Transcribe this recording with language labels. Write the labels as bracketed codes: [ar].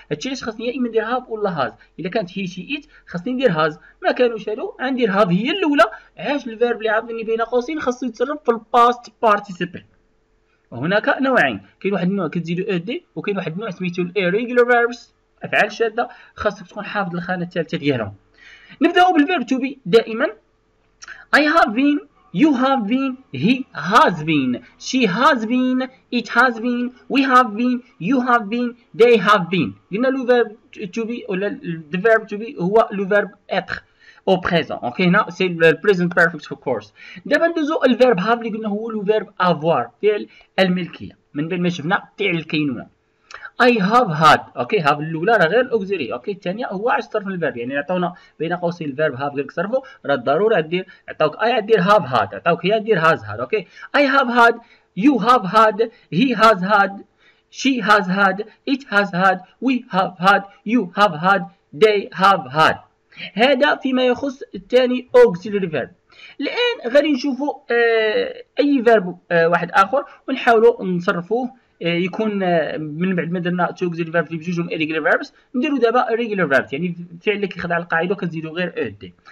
[ar] هادشي علاش خاصني يا اما ندير هاف ولا هاز. الا كانت هي شي ات خاصني ندير هاز، ما كانوش هادو عندي هاف هي الاولى، عاش الفيرب اللي عطوني بين قوسين خاصو يتصرف في الباست بارتيسيبل. وهناك نوعين، كاين واحد النوع كتزيدو اد دي، وكاين واحد النوع سميتو الايريجولار فيربس، افعال شاذه خاصك تكون حافظ الخانه الثالثه ديالهم. نبداو بالفيرب تو بي دائما. [en] I have been, you have been, he has been, she has been, it has been, we have been, you have been, they have been. [ar] قلنا لو فيرب تو بي ولا [en] the verb to be [ar] هو لو فيرب [fr] être au présent. [ar] اوكي، هنا سي [en] present perfect of course. [ar] دابا ندوزو الفيرب هاف اللي قلنا هو لو فيرب avoir، فعل الملكيه، من بين ما شفنا فعل الكينونه. [en] I have had. [ar] اوكي، هاف الاولى راه غير الاوكزيري. اوكي، الثانيه هو عاد صرف الفيرب، يعني عطاونا بين قوسين الفيرب هاف قالك صرفو، راه ضروري دير عطاوك اي دير هاف هاد، عطاوك هي دير هاز هاد. [en] Okay, I have had, you have had, he has had, she has had, it has had, we have had, you have had, they have had. [ar] هذا فيما يخص الثاني اوكزيري فيرب. الان غادي نشوفوا اي فيرب واحد اخر ونحاولوا نصرفوه، يكون من بعد ما درنا توكزيلي فيرب في بجوجهم ايريجولار فيربس، نديرو دابا ريجولار فيرب، يعني الفعل اللي كيخضع للقاعده وكنزيدو غير اد.